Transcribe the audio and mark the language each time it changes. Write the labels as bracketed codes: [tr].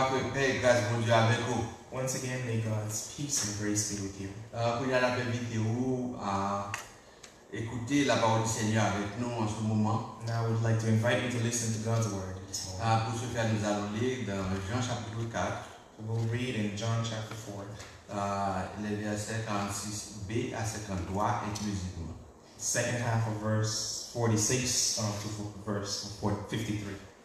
[en] Once again, may God's peace and grace be with you. [fr] Pour la vidéo, écoutez la parole du Seigneur avec nous en ce moment. [en] Now, I would like to invite you to listen to God's word. [fr] Pour ce faire, nous allons lire dans Jean chapitre 4. [en] So we'll read in John chapter 4. [fr] Les versets 46b à 53 inclusivement. [en] Second half of verse 46 to verse 53.